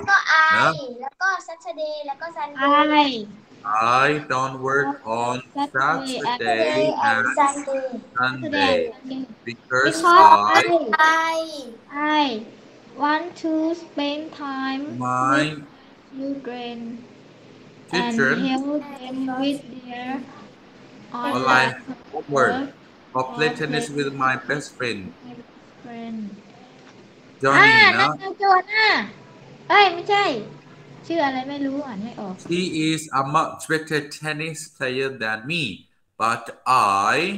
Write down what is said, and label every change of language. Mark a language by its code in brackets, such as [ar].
[en] I don't work on Saturday and Sunday because I want to spend time my children teacher, and help them with their online homework or play tennis with my best friend. Johnny, [th] นะ น่าจะโจทย์นะเอ้ยไม่ใช่ชื่ออะไรไม่รู้อ่านไม่ออก [en] She is a much better tennis player than me but I